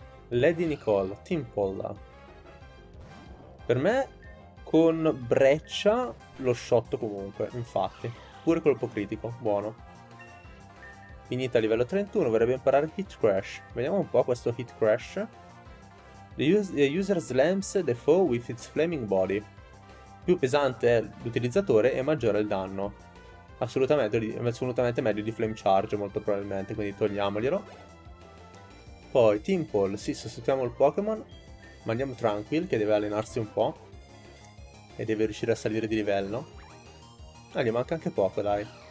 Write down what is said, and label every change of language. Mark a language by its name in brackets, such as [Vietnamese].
[Italian] Lady Nicole, Tim Polla. Per me, con Breccia, lo shot comunque, infatti. Pure colpo critico, buono. Finita a livello 31, vorrebbe imparare Hit Crash. Vediamo un po' questo Hit Crash. [English] The user slams the foe with its flaming body. [Italian] Più pesante è l'utilizzatore e maggiore è il danno. Assolutamente meglio di Flame Charge, molto probabilmente, quindi togliamoglielo. Poi, Timpole, sì, sostituiamo il Pokémon. Mandiamo Tranquil, che deve allenarsi un po'. E deve riuscire a salire di livello. Ah, gli manca anche poco, dai.